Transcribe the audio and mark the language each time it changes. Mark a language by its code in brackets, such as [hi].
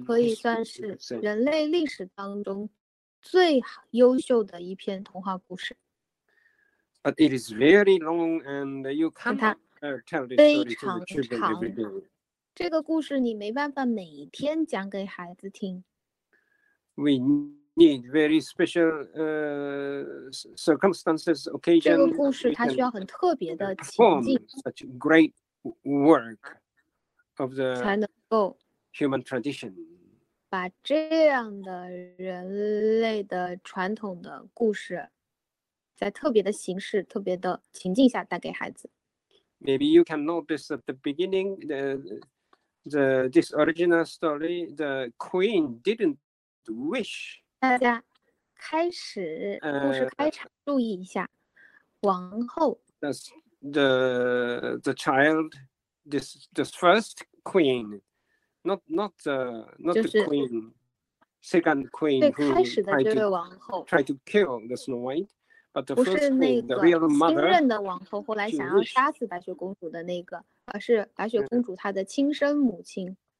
[zh] 这可以算是人类历史当中最优秀的一篇童话故事 [en] But it is very long and you can't tell this story to the children every day. [zh] 这个故事你没办法每天讲给孩子听 [en] We need very special circumstances, occasions. [zh] 这个故事它需要很特别的情境 [en] such great work of the [zh] 才能够 [en] human tradition. [zh] 把这样的人类的传统的故事在特别的形式特别的情境下带给孩子 [en] Maybe you can notice at the beginning the this original story the queen didn't wish [zh] 大家开始故事开场注意一下王后 [en] the child this first queennot the queen, second queen who tried to kill the Snow White, but the first queen, the real mother, [zh] 不是那个新任的王后后来想要杀死白雪公主的那个，而是白雪公主她的亲生母亲。